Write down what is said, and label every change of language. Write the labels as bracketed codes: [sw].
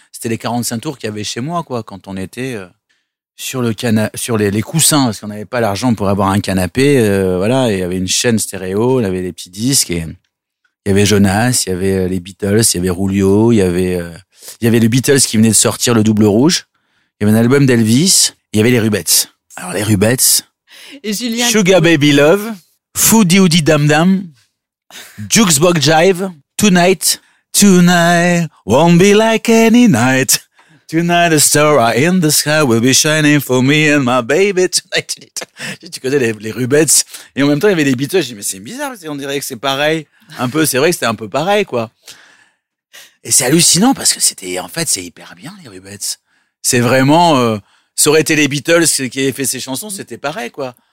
[fr] C'était les 45 tours qu'il y avait chez moi, quoi, quand on était sur les coussins, parce qu'on n'avait pas l'argent pour avoir un canapé. Voilà, il y avait une chaîne stéréo, il y avait les petits disques, et il y avait Jonas, il y avait les Beatles, il y avait Rulio, il y avait les Beatles qui venaient de sortir le double rouge, il y avait un album d'Elvis, il y avait les Rubettes. Alors les Rubettes, et Julien [en] Sugar Coulou. Baby Love, Foodie Oodie Dam Dam, Jukebox Jive, Tonight. Tonight won't be like any night. Tonight a star in the sky will be shining for me and my baby tonight. [fr] Tu connais les Rubettes. Et en même temps, il y avait les Beatles. Je dis, mais c'est bizarre. On dirait que c'est pareil. Un peu, c'est vrai que c'était un peu pareil, quoi. Et c'est hallucinant parce que c'était, en fait, c'est hyper bien, les Rubettes. c'est vraiment, ça aurait été les Beatles qui avaient fait ces chansons, c'était pareil, quoi.